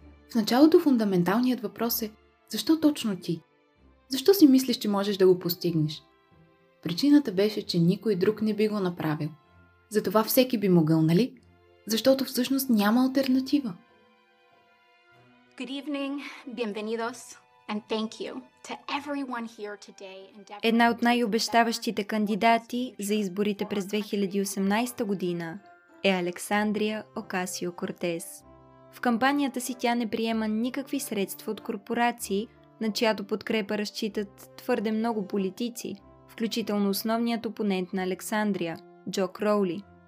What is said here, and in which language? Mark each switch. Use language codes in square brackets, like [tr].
[bg] В началото фундаменталният въпрос е: защо точно ти? Защо си мислиш, че можеш да го постигнеш? Причината беше, че никой друг не би го направил. Затова всеки би могъл, нали? Защото всъщност няма алтернатива. [en] Good evening, bienvenidos, and thank you to everyone here today. [bg] Една от най-обещаващите кандидати за изборите през 2018 година е Александрия Окасио-Кортес. В кампанията си тя не приема никакви средства от корпорации, на чиято подкрепа разчитат твърде много политици, включително основният опонент на Александрия – Джо Кроули.